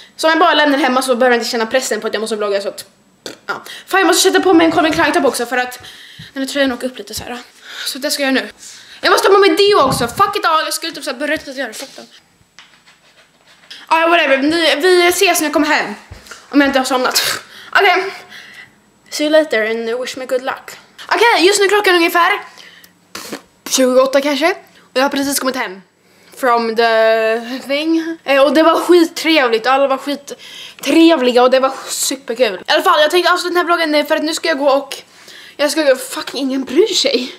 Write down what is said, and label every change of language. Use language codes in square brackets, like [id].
[sv] Så om jag bara lämnar hemma så behöver jag inte känna pressen på att jag måste vlogga så att... Ja. Fan, jag måste sätta på mig en Calvin Klein top också för att... Den här tröjan åker upp lite så här. Så det ska jag göra nu. Jag måste ha med deo också, fuck it all, jag skulle typ såhär berätta att göra det, fuck it all. Ah, whatever, vi ses när jag kommer hem. Om jag inte har somnat. Okej. Okay. [en] See you later and wish me good luck. [sv] Okej, okay, just nu klockan ungefär 28 kanske. Och jag har precis kommit hem. [en] From the thing. [sv] Och det var skittrevligt, alla var skittrevliga och det var superkul. I alla fall, jag tänkte avsluta den här vloggen för att nu ska jag gå och... Jag ska gå, fuck, ingen bryr sig.